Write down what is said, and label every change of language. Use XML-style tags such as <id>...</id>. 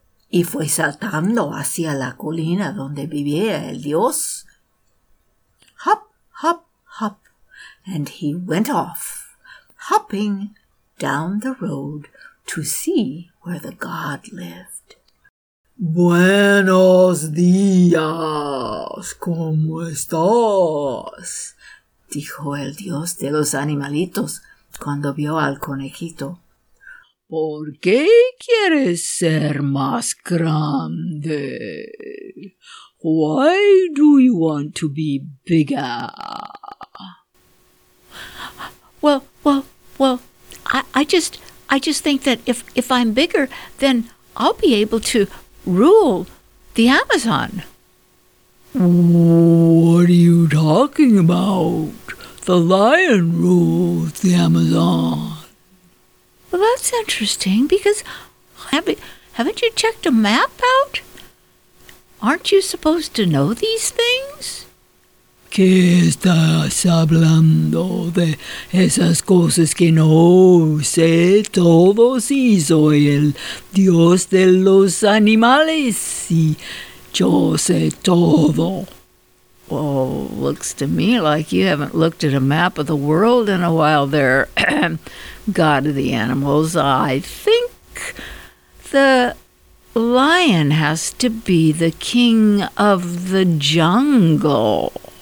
<es>Y fue saltando hacia la colina donde vivía el dios.</es> <en>Hop, hop, hop. And he went off, hopping down the road to see where the god lived.</en> <es>Buenos días, ¿cómo estás? Dijo el dios de los animalitos cuando vio al conejito. ¿Por qué quieres ser más grande?</es> <en>Why do you want to be bigger? Well, I just think that if I'm bigger, then I'll be able to rule the Amazon. What are you talking about? The lion rules the Amazon. Well, that's interesting, because haven't you checked a map out? Aren't you supposed to know these things?</en> <es>¿Qué estás hablando de esas cosas que no sé? Todo sí soy el dios de los animales y yo sé todo.</es> <en>Oh, looks to me like you haven't looked at a map of the world in a while there, God of the Animals. I think the lion has to be the king of the jungle.</en>